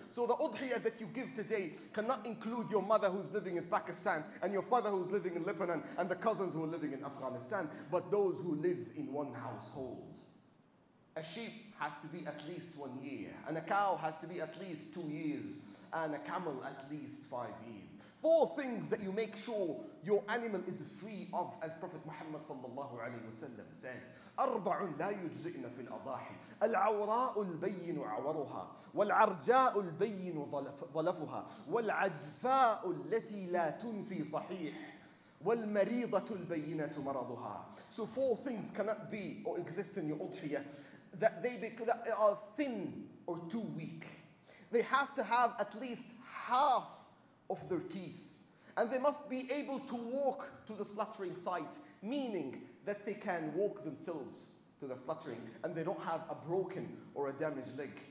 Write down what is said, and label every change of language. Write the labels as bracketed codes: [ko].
[en] So the udhiyah that you give today cannot include your mother who's living in Pakistan and your father who's living in Lebanon and the cousins who are living in Afghanistan, but those who live in one household. A sheep has to be at least 1 year, and a cow has to be at least 2 years, and a camel at least 5 years. Four things that you make sure your animal is free of, as Prophet Muhammad sallallahu alayhi wasallam said. [ar] أربع لا يجزئن في الأضاحي العوراء البين عورها والعرجاء البين ظلفها والعجفاء التي لا تنفي صحيح والمريضة البينة مرضها. [en] So four things cannot be or exist in your udhiyah that are thin or too weak. They have to have at least half of their teeth, and they must be able to walk to the slaughtering site, meaning that they can walk themselves to the slaughtering and they don't have a broken or a damaged leg.